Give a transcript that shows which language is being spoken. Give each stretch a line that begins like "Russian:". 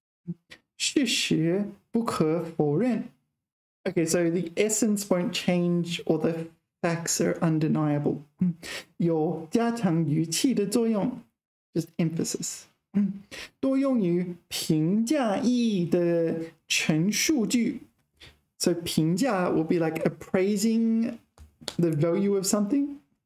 Chinese: 副词表示强调事物的本质特点不会改变。事实不可否认.
English: Okay, so the essence won't change or the facts are undeniable.
Chinese: 有加强语气的作用,
English: just emphasis.
Chinese: 多用于评价意义的陈述句.
English: So 评价 will be like appraising the value of something.